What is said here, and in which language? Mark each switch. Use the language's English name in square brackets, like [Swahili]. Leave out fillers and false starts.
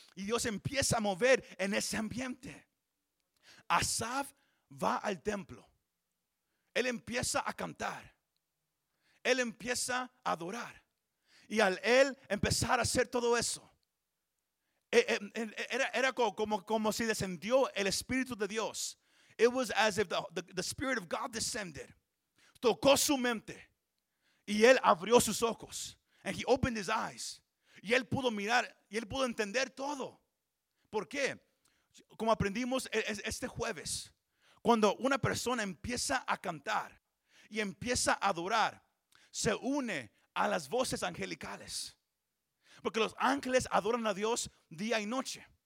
[Spanish] Y Dios empieza a mover en ese ambiente. Asaf va al templo. Él empieza a cantar. Él empieza a adorar. Y al él empezar a hacer todo eso, era como si descendió el Espíritu de Dios. [English] It was as if the Spirit of God descended. [Spanish] Tocó su mente y él abrió sus ojos. [English] And he opened his eyes. [Spanish] Y él pudo mirar y él pudo entender todo. ¿Por qué? Como aprendimos este jueves, cuando una persona empieza a cantar y empieza a adorar, se une a las voces angelicales, porque los ángeles adoran a Dios día y noche.